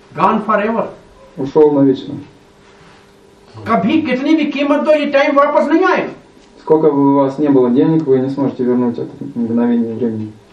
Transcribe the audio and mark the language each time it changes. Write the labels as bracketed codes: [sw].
[en] gone forever [ru] ушёл навечно [hi] कभी कितनी भी कीमत दो ये टाइम वापस नहीं आएगा [ru] сколько бы у вас не было денег вы не сможете вернуть это мгновение времени